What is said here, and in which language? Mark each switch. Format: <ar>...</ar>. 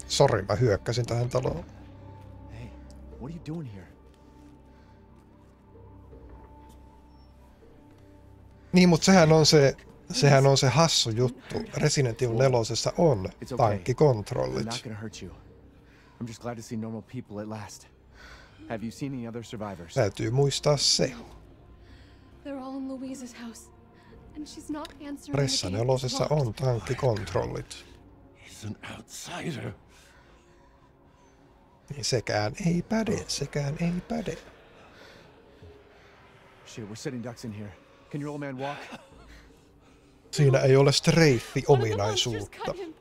<fi>Sorry, mä hyökkäsin tähän taloon.</fi> <en>Hey, what are you doing here?</en> <fi>Niin, mut sehän on se hassu juttu. Resident Evil 4:ssä on tankkikontrollit.</fi> <en>I'm not gonna hurt you. I'm just glad to see normal people at last. Have you seen any other survivors?</en> <fi>Täytyy muistaa se.</fi> <en>They're all in Louise's house and she's not answering.</en> <fi>Ressa 4:ssä on tankkikontrollit.</fi> <en>He's an outsider.</en> <fi>Niin sekään ei päde.</fi> <en>Shit, we're sitting ducks in here. Can your old man walk?</en> <fi>Siinä ei ole streifi ominaisuutta.</fi>